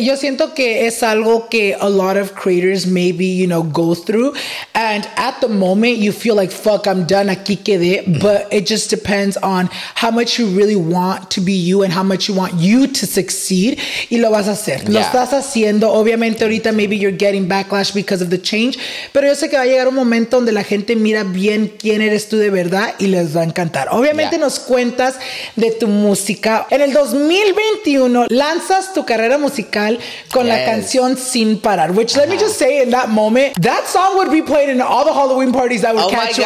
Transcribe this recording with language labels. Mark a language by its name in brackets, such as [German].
[Spanish] Yo siento que es algo que [English] a lot of creators maybe, you know, go through. And at the moment you feel like, fuck, I'm done, [Spanish] aquí quedé. [English] But it just depends on how much you really want to be you and how much you want you to succeed. [Spanish] Y lo vas a hacer. Lo estás haciendo. Obviamente ahorita [English] maybe you're getting backlash because of the change. [Spanish] Pero yo sé que va a llegar un momento donde la gente mira bien quién eres tú de verdad y les va a encantar. Obviamente nos cuentas de tu música. En el 2021 lanzas tu carrera musical con la canción Sin Parar, [English] which let me just say, in that moment, that song would be played in all the Halloween parties that would catch you.